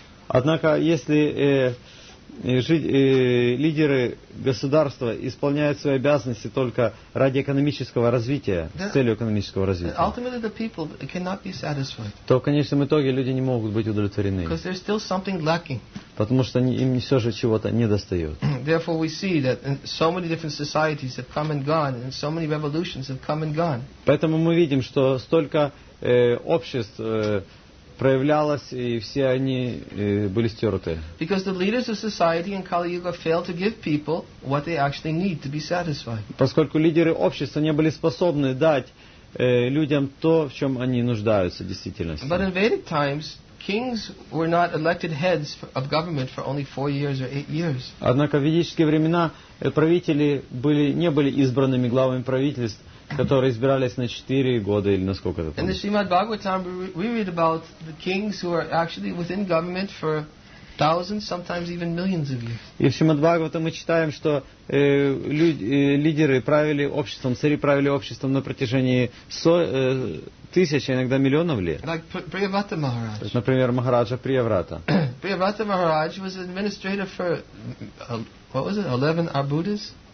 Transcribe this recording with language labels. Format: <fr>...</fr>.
<ru>Однако, если лидеры государства исполняют свои обязанности только ради экономического развития, с целью экономического развития,</ru> <en>ultimately the people cannot be satisfied.</en> <ru>То в конечном итоге люди не могут быть удовлетворены.</ru> <en>Because there's still something lacking.</en> <ru>Потому что им все же чего-то не достает.</ru> <en>Therefore we see that so many different societies have come and gone, and so many revolutions have come and gone.</en> <ru>Поэтому мы видим, что столько обществ проявлялось, и все они были стерты.</ru> <en>Because the leaders of society in Kali Yuga failed to give people what they actually need to be satisfied.</en> <ru>Поскольку лидеры общества не были способны дать людям то, в чем они нуждаются в действительности.</ru> <en>But in Vedic times, kings were not elected heads of government for only 4 years or 8 years.</en> <ru>Однако в ведические времена правители не были избранными главами правительств, которые избирались на 4 года или на сколько это.</ru> <en>In the Srimad Bhagavatam, we read about the kings who are actually within government for thousands, sometimes even millions of years.</en> <ru>И в Шримад Бхагаватам мы читаем, что лидеры правили обществом, цари правили обществом на протяжении тысяч, а иногда миллионов лет.</ru> <en>Like Priyavrata Maharaj.</en> <ru>Например, Махараджа Приеврата.</ru> <en>Priyavrata Maharaj was an administrator for, what was it, 11 Arbutas?</en>